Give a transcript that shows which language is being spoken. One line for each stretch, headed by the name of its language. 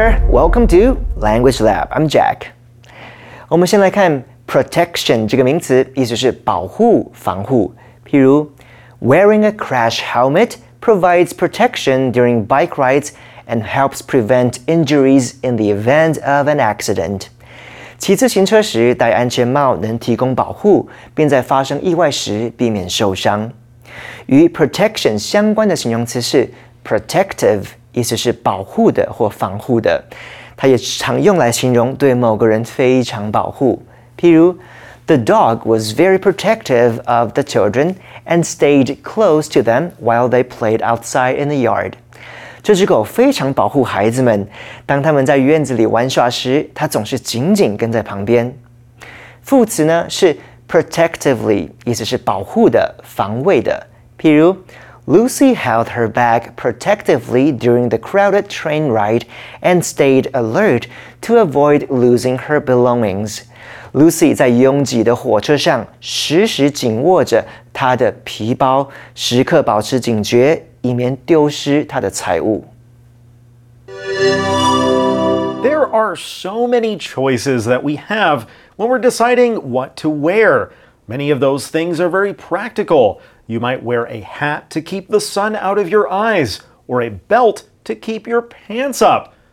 English: Welcome to Language Lab. I'm Jack.
Chinese: 我们先来看 protection 这个名词，意思是保护、防护。譬如
English: ，wearing a crash helmet provides protection during bike rides and helps prevent injuries in the event of an accident.
Chinese: 骑自行车时戴安全帽能提供保护，并在发生意外时避免受伤。与 protection 相关的形容词是 protective。意思是保护的或防护的，它也常用来形容对某个人非常保护。譬如
English: ，The dog was very protective of the children and stayed close to them while they played outside in the yard.
Chinese: 这只狗非常保护孩子们，当他们在院子里玩耍时，它总是紧紧跟在旁边。副词呢是 protectively， 意思是保护的、防卫的。譬如。
English: Lucy held her bag protectively during the crowded train ride and stayed alert to avoid losing her belongings.
Chinese: Lucy 在拥挤的火车上时时紧握着她的皮包，时刻保持警觉，以免丢失她的财物。
English: There are so many choices that we have when we're deciding what to wear. Many of those things are very practical. You might wear a hat to keep the sun out of your eyes, or a belt to keep your pants up.